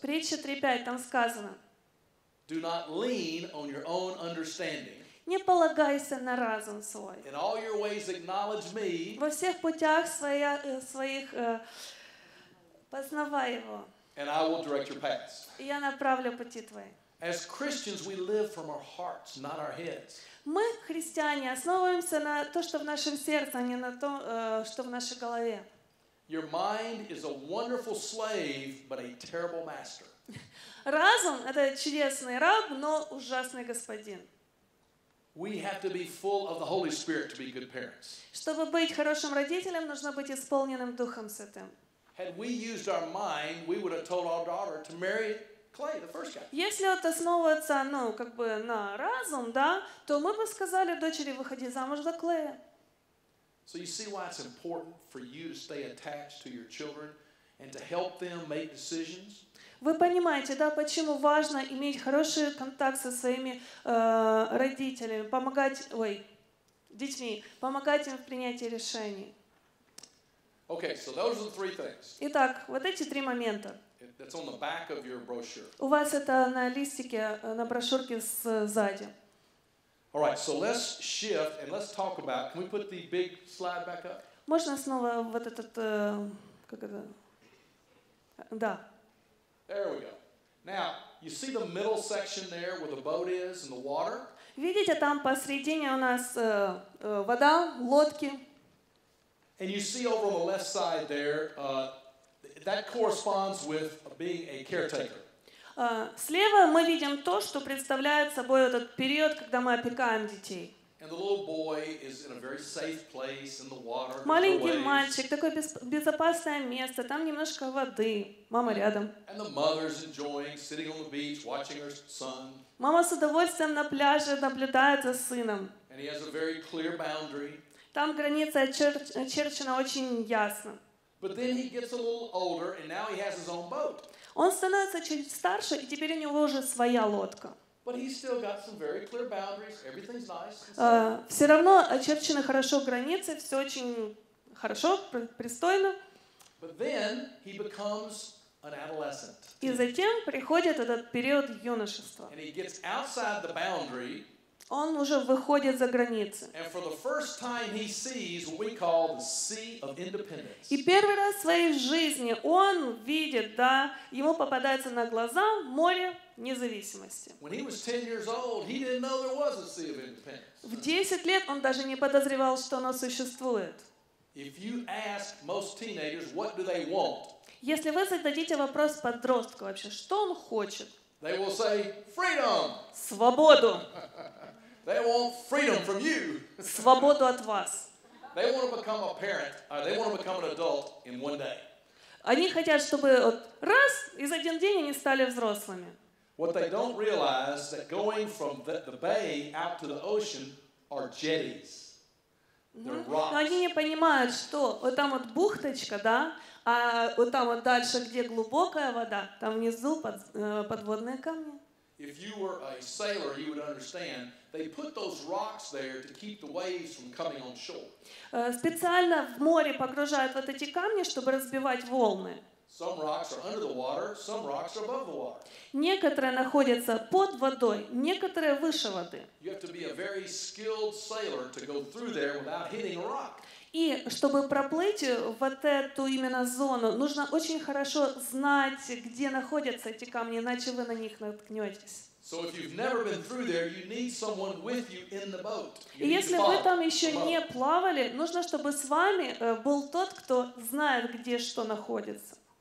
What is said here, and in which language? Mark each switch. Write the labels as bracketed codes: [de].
[ru] Притча 3:5 там сказано. [en] Do not lean on your own understanding. [ru] Не полагайся на разум свой. [en] In all your ways acknowledge me. [ru] Во всех путях своих познавай его. [en] And I will direct your paths. [ru] Я направлю пути твои. [en] As Christians, we live from our hearts, not our heads. [ru] Мы христиане основываемся на то, что в нашем сердце, а не на то, что в нашей голове. [en] Your mind is a wonderful slave, but a terrible master. [ru] Разум — это чудесный раб, но ужасный господин. [en] We have to be full of the Holy Spirit to be good parents. [ru] Чтобы быть хорошим родителем, нужно быть исполненным Духом Святым. [en] Had we used our mind, we would have told our daughter to marry Clay, the first guy. [ru] Если вот основываться, ну, как бы на разум, да, то мы бы сказали дочери: выходи замуж за Клея. [en] So you see why it's important for you to stay attached to your children and to help them make decisions? [ru] Вы понимаете, да, почему важно иметь хороший контакт со своими родителями, помогать, ой, детьми, помогать им в принятии решений. [en] Okay, so those are the three things. [ru] Итак, вот эти три момента. [en] That's on the back of your brochure. [ru] У вас это на листике, на брошюрке сзади. [en] All right, so let's shift and let's talk about. Can we put the big slide back up? [ru] Можно снова вот этот, как это? Да. [en] There we go. Now, you see the middle section there where the boat is and the water? [ru] Видите, там посредине у нас вода, лодки. [en] And you see over on the left side there, that corresponds with being a caretaker. [ru] Слева мы видим то, что представляет собой этот период, когда мы опекаем детей. [en] And the little boy is in a very safe place in the water. [ru] Маленький мальчик, такое безопасное место, там немножко воды. Мама рядом. [en] And the mother's enjoying sitting on the beach watching her son. [ru] Мама с удовольствием на пляже наблюдает за сыном. [en] And he has a very clear boundary. [ru] Там граница очерчена очень ясно. [en] But then he gets a little older and now he has his own boat. [ru] Он становится чуть старше, и теперь у него уже своя лодка. [en] But he's still got some very clear boundaries. Everything's nice. [ru] Все равно очерчены хорошо границы, все очень хорошо, пристойно. [en] But then he becomes an adolescent. [ru] И затем приходит этот период юношества. [en] And he gets outside the boundary. [ru] Он уже выходит за границы. [en] And for the first time he sees what we call the sea of independence. [ru] И первый раз в своей жизни он видит, да, ему попадается на глаза море независимости. [en] When he was 10 years old, he didn't know there was a sea of independence. [ru] В 10 лет он даже не подозревал, что оно существует. [en] If you ask most teenagers, what do they want? [ru] Если вы зададите вопрос подростку вообще, что он хочет? [en] They will say freedom. [ru] Свободу. [en] They want freedom from you. [ru] Свободу от вас. [en] They want to become a parent. They want to become an adult in one day. [ru] Они хотят, чтобы вот раз и за один день они стали взрослыми. [en] What they don't realize that going from the bay out to the ocean are jetties. [ru] Они не понимают, что вот там вот бухточка, да, а вот там вот дальше, где глубокая вода, там внизу подводные камни. [en] If you were a sailor, you would understand. They put those rocks there to keep the waves from coming on shore. [ru] Специально в море погружают вот эти камни, чтобы разбивать волны. [en] Some rocks are under the water, some rocks are above the water. [ru] Некоторые находятся под водой, некоторые выше воды. [en] You have to be a very skilled sailor to go through there without hitting a rock. [ru] И чтобы проплыть вот эту именно зону, нужно очень хорошо знать, где находятся эти камни, иначе вы на них наткнетесь. И если вы там еще не плавали, нужно, чтобы с вами был тот, кто знает, где что находится.